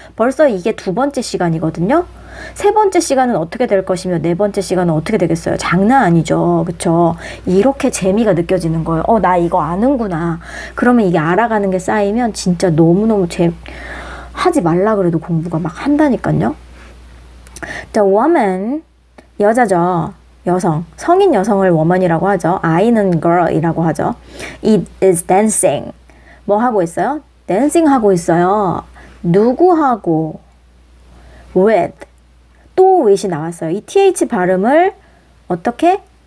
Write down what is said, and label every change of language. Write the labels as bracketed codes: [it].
[ko] 벌써 이게 두 번째 시간이거든요. 세 번째 시간은 어떻게 될 것이며 네 번째 시간은 어떻게 되겠어요? 장난 아니죠. 그쵸? 이렇게 재미가 느껴지는 거예요. 나 이거 아는구나. 그러면 이게 알아가는 게 쌓이면 진짜 너무너무 하지 말라 그래도 공부가 막 한다니까요. [en] The woman, [ko] 여자죠. 여성, 성인 여성을 woman이라고 하죠. I는 girl이라고 하죠. [en] It is dancing. [ko] 뭐 하고 있어요? Dancing 하고 있어요. 누구하고? With. 또 with이 나왔어요. 이 th 발음을 어떻게?